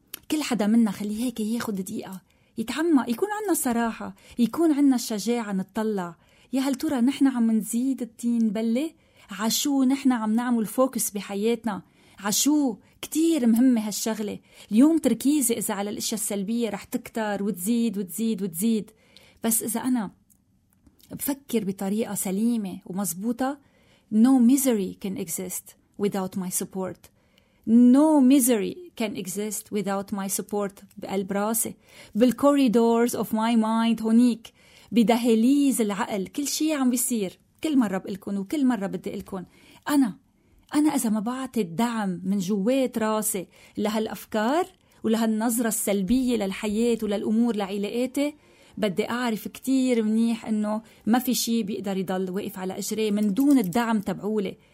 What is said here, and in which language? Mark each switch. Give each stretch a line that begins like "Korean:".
Arabic: كل حدا منا خلي هيك ياخد دقيقة يتعمق، يكون عنا صراحة، يكون عنا الشجاعة نتطلع، يا هل ترى نحن عم نزيد الطين بلة؟ عشو نحن عم نعمل فوكس بحياتنا؟ عشو كتير مهمة هالشغلة اليوم؟ تركيزي إذا على الأشياء السلبية رح تكتر وتزيد وتزيد وتزيد، بس إذا أنا بفكر بطريقة سليمة ومزبوطة،
English: no misery can exist without my support. No misery can exist without my support.
Arabic: بقلب راسي، بال
English: corridors of my mind،
Arabic: هونيك بدهاليز العقل، كل شيء عم بيصير كل مرة بقلكن وكل مرة بدي قلكن، أنا إذا ما بعطي الدعم من جوات راسي لهالأفكار ولهالنظرة السلبية للحياة وللأمور لعلاقاتي، بدي أعرف كتير منيح إنه ما في شيء بيقدر يضل واقف على إجري من دون الدعم تبعولي.